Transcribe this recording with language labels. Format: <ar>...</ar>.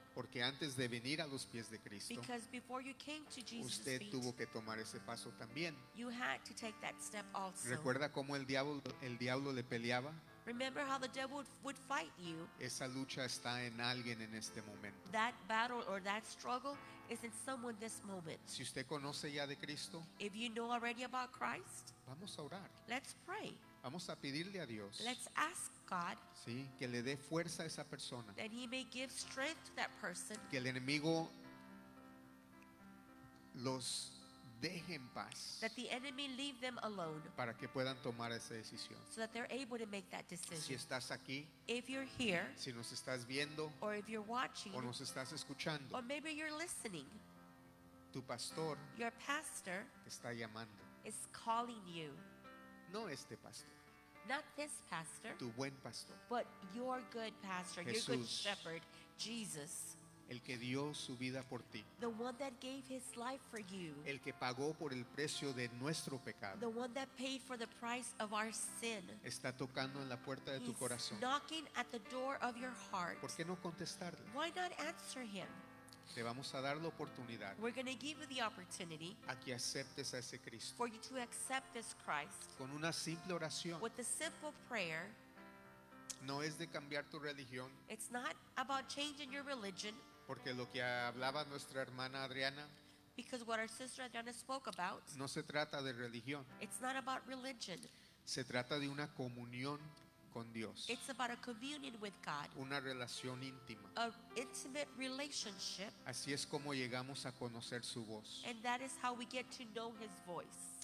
<es>porque antes de venir a los pies de Cristo,</es> <en>because before you came to Jesus'</en> <es>usted</es> <en>feet,</en> <es>tuvo que tomar ese paso también.</es> <en>You had to take that step also.</en> <es>¿Recuerda cómo el diablo le peleaba?</es> <en>Remember how the devil would fight you.</en> <es>Esa lucha está en alguien en este momento.</es> <en>That battle or that struggle is in someone this moment.</en> <es>Si usted conoce ya de Cristo,</es> <en>if you know already about Christ,</en> <es>vamos a orar.</es> <en>Let's pray.</en> <es>Vamos a pedirle a Dios.</es> <en>Let's ask God.</en> <es>Sí, que le dé fuerza a esa persona.</es> <en>That he may give strength to that person.</en> <es>Que el enemigo los deje en paz.</es> <en>That the enemy leave them alone.</en> <es>Para que puedan tomar esa decisión.</es> <en>So that they're able to make that decision.</en> <es>Si estás aquí,</es> <en>if you're here,</en> <es>si nos estás viendo,</es> <en>or if you're watching,</en> <es>o nos estás escuchando,</es> <en>or maybe you're listening,</en> <es>tu pastor,</es> <en>your pastor,</en> <es>te está llamando,</es> <en>is calling you.</en> <es>No este pastor.</es> <en>Not this pastor.</en> <es>Tu buen pastor.</es> <en>But your good pastor,</en> <es>Jesús,</es> <en>your good shepherd, Jesus.</en> <es>El que dio su vida por ti.</es> <en>The one that gave his life for you.</en> <es>El que pagó por el precio de nuestro pecado.</es> <en>The one that paid for the price of our sin.</en> <es>Está tocando en la puerta de</es> <en>He's</en> <es>tu corazón.</es> <en>Knocking at the door of your heart.</en> <es>¿Por qué no contestarle?</es> <en>Why not answer him?</en> <es>Te vamos a dar la oportunidad.</es> <en>We're going to give you the opportunity.</en> <es>A que aceptes a ese Cristo.</es> <en>For you to accept this Christ.</en> <es>Con una simple oración.</es> <en>With a simple prayer.</en> <es>No es de cambiar tu religión.</es> <en>It's not about changing your religion.</en> <es>Porque lo que hablaba nuestra hermana Adriana.</es> <en>Because what our sister Adriana spoke about.</en> <es>No se trata de religión.</es> <en>It's not about religion.</en> <es>Se trata de una comunión con Dios.</es> <en>It's about a communion with God.</en> <es>Una relación íntima.</es> <en>An intimate relationship.</en> <es>Así es como llegamos a conocer su voz.</es> <en>And that is how we get to know his voice.</en>